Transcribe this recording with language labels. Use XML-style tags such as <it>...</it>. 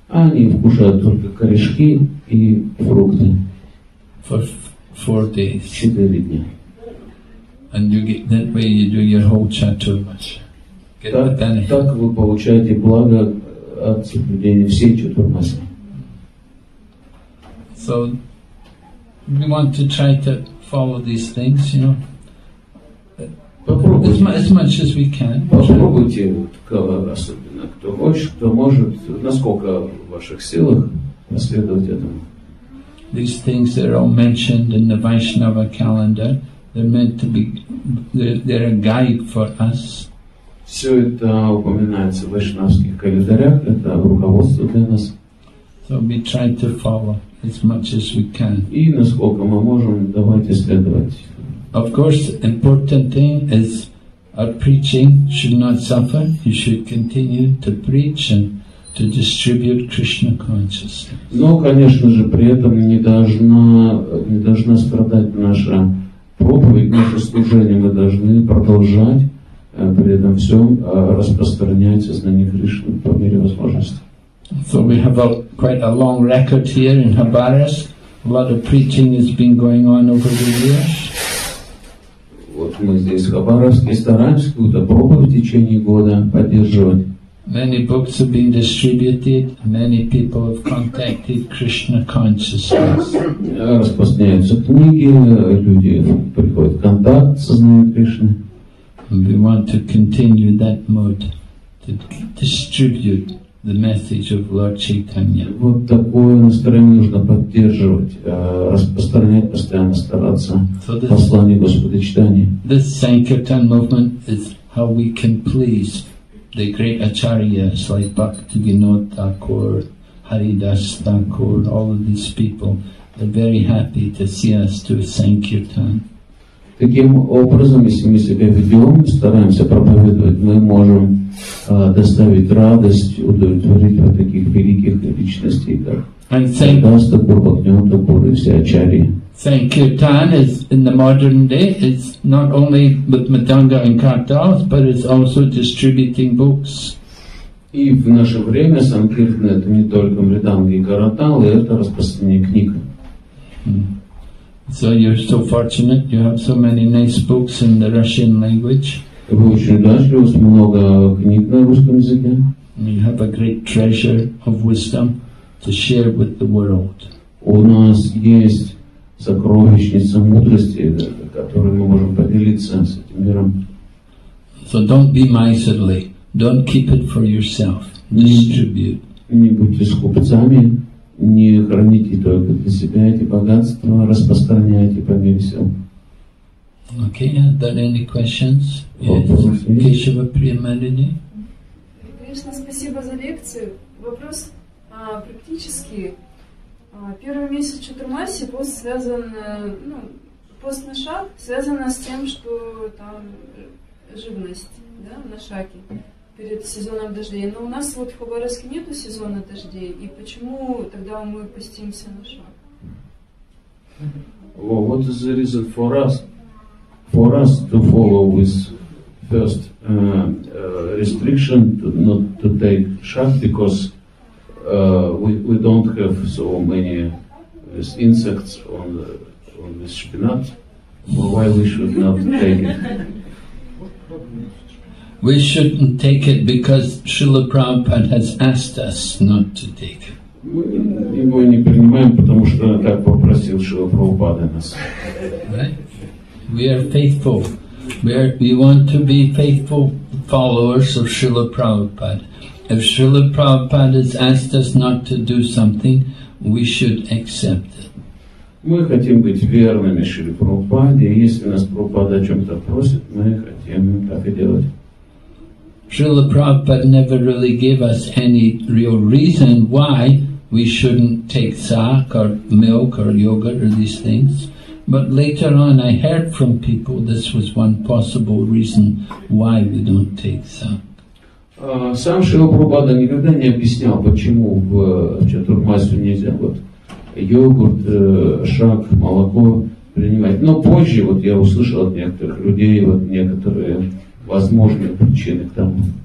<ru>Они вкушают только корешки и фрукты.</ru> <en>For 4 days.</en> <ru>4 дня.</ru> <en>And you get, that way you do your whole Chaturmasya.</en> <ru>Так вы получаете благо от соблюдения всей Чатурмасы.</ru> <en>So we want to try to follow these things, you know. As much as we can.</en> <ru>Попробуйте, особенно кто хочет, кто может, насколько в ваших силах последовать этому.</ru> <en>These things that are all mentioned in the Vaishnava calendar, they're meant to be, they're a guide for us.</en> <ru>Все это упоминается в вайшнавских календарях, это руководство для нас.</ru> <en>So we try to follow as much as we can.</en> <ru>И насколько мы можем, давайте следовать.</ru> <en>Of course, the important thing is our preaching should not suffer. You should continue to preach and to distribute Krishna consciousness.</en> <ru>Но, конечно же, при этом не должна страдать наша проповедь, наше служение. Мы должны продолжать при этом все распространять знание Кришны по мере возможности.</ru> <en>So we have quite a long record here in Khabarovsk. A lot of preaching has been going on over the years.</en> <ru>Вот мы здесь в Хабаровске стараемся какую-то проповедь в течение года поддерживать.</ru> <en>Many books have been distributed, many people have contacted Krishna consciousness.</en> <ru>Распространяются книги, люди приходят в контакт со знанием Кришны.</ru> <en>We want to continue that mode, to distribute the message of Lord Chaitanya.</en> <ru>Вот такое настроение нужно поддерживать, распространять, постоянно стараться. Послание Господа Читания.</ru> <en>This Sankirtan movement is how we can please the great acharyas like Bhaktivinoda Thakur, Haridas Thakur, all of these people. They're very happy to see us do Sankirtan.</en> <ru>Таким образом, если мы себя ведем, стараемся проповедовать, мы можем доставить радость, удовлетворить вот таких великих личностей, как Thakur, Bhaktivinoda Thakur и все ачарьи.</ru> <en>Sankirtan is in the modern day, it's not only with Madanga and Kartals, but it's also distributing books.</en> <ru>И в наше время Sankirtan это не только Мриданга и Карталы, это распространение книг.</ru> <en>So you're so fortunate, you have so many nice books in the Russian language.</en> <ru>Вы очень удачливы, у вас много книг на русском языке.</ru> <en>You have a great treasure of wisdom to share with the world.</en> <ru>У нас есть сокровищница мудрости, которой мы можем поделиться с этим миром.</ru> <en>So don't be miserly. Don't keep it for yourself. Distribute.</en> <ru>Не будьте скупцами, не храните только для себя эти богатства, распространяйте по мере сил.</ru> <en>Okay, are there any questions?</en> <ru>Вопросы?</ru> <en>Yes. Кешава Приямадини?</en> <ru>Конечно, спасибо за лекцию. Вопрос практический. Первый месяц Чатурмаси пост связан, ну, постнаша связана с тем, что там живность, да, в нашаке перед сезоном дождей. Но у нас вот в Хабаровске нету сезона дождей, и почему тогда мы постимся нашак?</ru> <en>Well, what is the reason for us? For us to follow with first restriction to not to take shak because we don't have so many insects on the on this spinat. Well, why we should not take it? We shouldn't take it because Srila Prabhupada has asked us not to take it.</en> <ru>Мы его не принимаем, потому что он так попросил, что Прабхупада нас.</ru> <en>We are faithful. We want to be faithful followers of Srila Prabhupada. If Srila Prabhupada has asked us not to do something, we should accept it.</en> <ru>Мы хотим быть верными Шри Прабхупаде, и если нас Прабхупада о чем-то просит, мы хотим так и делать.</ru> <en>Srila Prabhupada never really gave us any real reason why we shouldn't take sak or milk or yogurt or these things. But later on I heard from people this was one possible reason why we don't take sak.</en> <ru>Сам Шрила Прабхупада никогда не объяснял, почему в чатурмасе нельзя вот йогурт, шак, молоко принимать. Но позже вот я услышал от некоторых людей, вот некоторые возможные причины к тому.</ru>